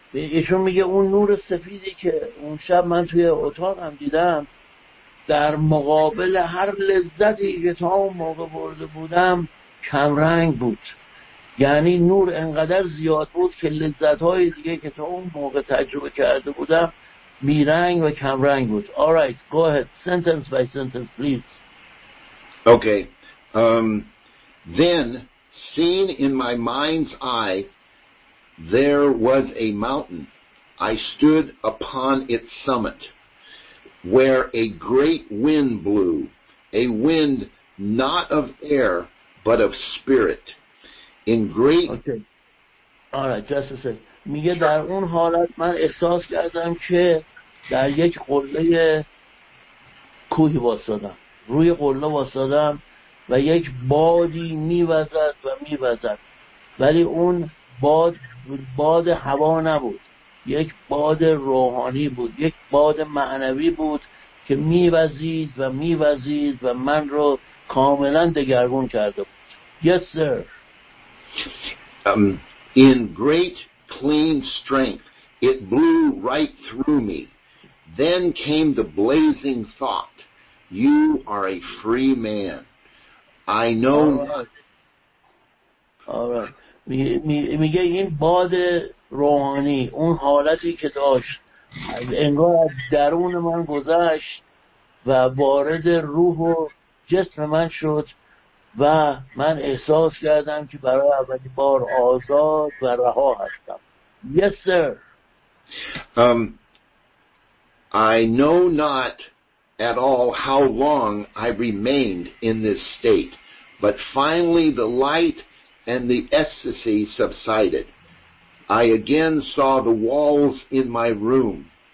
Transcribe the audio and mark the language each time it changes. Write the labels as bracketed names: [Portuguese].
[Persian] ایشون میگه اون نور سفیدی که اون شب من توی اتاقم دیدم در مقابل هر لذتی که تا اون موقع برده بودم کمرنگ بود، یعنی نور انقدر زیاد بود که لذتهای دیگه که تا اون موقع تجربه کرده بودم میرنگ و کمرنگ بود. [English] Alright, go ahead, sentence by sentence, please. Okay, then, seen in my mind's eye, there was a mountain. I stood upon its summit, where a great wind blew, a wind not of air, but of spirit. In great... Okay. All right, just a second. [Persian] میگه در اون حالت من احساس کردم که در یک قله کوهی واسادم. روی قله واسادم و یک بادی میوزد و میوزد. ولی اون باد... باد هوا نبود، یک باد روحانی بود، یک باد معنوی بود که میوزید و میوزید و من رو کاملا دگرگون کرده بود. [English] Yes, sir. In great clean strength, it blew right through me. Then came the blazing thought, you are a free man. I know... All right. [Persian] میگه این باد روحانی، اون حالتی که داشت انگار از درون من گذشت و وارد روح و جسم من شد و من احساس کردم که برای اولین بار آزاد و رها هستم. [English] Yes, sir. I know not at all how long I remained in this state, but finally the light and the ecstasy subsided. I again saw the walls in my room.